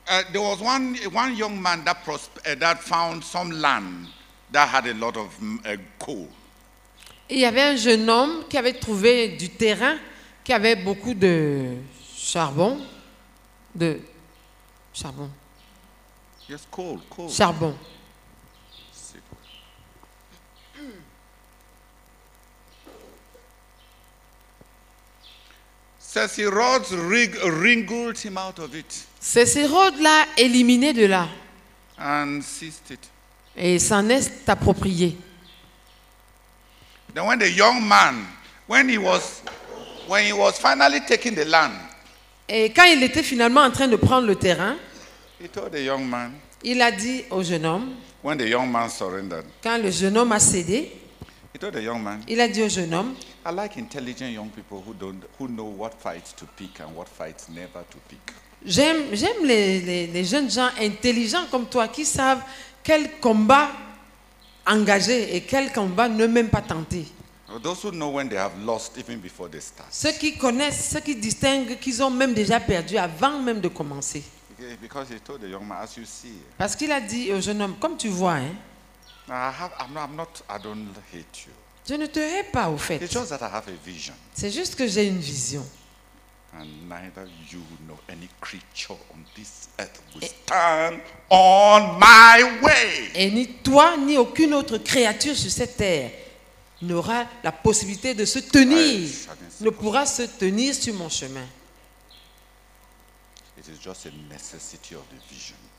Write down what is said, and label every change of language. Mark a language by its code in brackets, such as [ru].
[en] There was one young man that found some land that had a lot of coal. [fr] Il y avait un jeune homme qui avait trouvé du terrain qui avait beaucoup de charbon. De charbon. [en] Yes, coal. [fr] Charbon. [en] Cecil Rhodes wriggled him out of it. [fr] Cecil Rhodes l'a éliminé de là. [en] And seized it. [fr] Et s'en est approprié. [en] Then when the young man, when he was finally taking the land. [fr] Et quand il était finalement en train de prendre le terrain, [en] he told the young man. [fr] Il a dit au jeune homme. [en] When the young man surrendered. [fr] Quand le jeune homme a cédé. [en] He told the young man. [fr] Il a dit au jeune homme. [en] I like intelligent young people who know what fights to pick and what fights never to pick. [fr] J'aime les jeunes gens intelligents comme toi qui savent quel combat engager et quel combat ne même pas tenter. [en] Those who know when they have lost even before they start. [fr] Ceux qui connaissent, ceux qui distinguent qu'ils ont même déjà perdu avant même de commencer. [en] Because he told the young man, as you see. [fr] Parce qu'il a dit au jeune homme, comme tu vois, hein. [en] I don't hate you. [fr] Je ne te hais pas, au fait. [en] It's just that I have a vision. [fr] C'est juste que j'ai une vision. [en] And neither you nor any creature on this earth will stand on my way. [fr] Et ni toi ni aucune autre créature sur cette terre n'aura la possibilité de se tenir, ne pourra se tenir sur mon chemin. [en] It is just a necessity of the vision.